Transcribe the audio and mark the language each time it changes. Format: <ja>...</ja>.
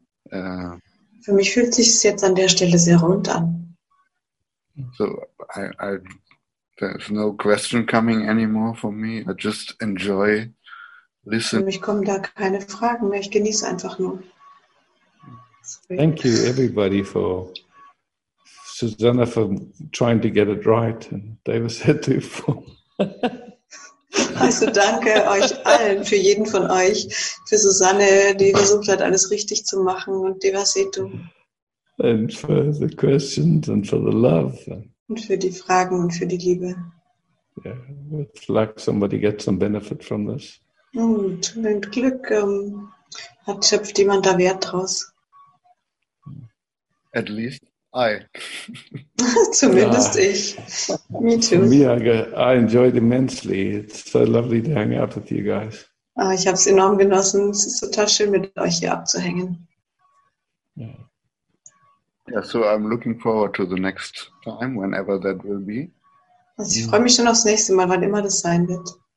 <de>Für mich fühlt sich es jetzt an der Stelle sehr rund an.</de> <en>So, I there's no question coming anymore for me. I just enjoy listening.</en> <de>Für mich kommen da keine Fragen mehr. Ich genieße einfach nur.</de> <en>Sorry. Thank you, everybody, for Susanna for trying to get it right, and David said to you.</en> <de>Also danke euch allen, für jeden von euch, für Susanne, die versucht hat, alles richtig zu machen, und Devasetu.</de> <en>And for the questions and for the love.</en> <de>Und für die Fragen und für die Liebe.</de> <en>Yeah, it's like somebody gets some benefit from this.</en> <de>Und mit Glück hat schöpft jemand da Wert draus.</de> <en>At least. I.</en> <de>Zumindest ja. Ich.</de> <en>Me too. For me, I enjoyed immensely. It's so lovely to hang out with you guys.</en> <de>Ah, ich habe es enorm genossen. Es ist total schön, mit euch hier abzuhängen.</de> <en>Yeah, so I'm looking forward to the next time, whenever that will be.</en> <de>Also ich freue mich schon aufs nächste Mal, wann immer das sein wird.</de>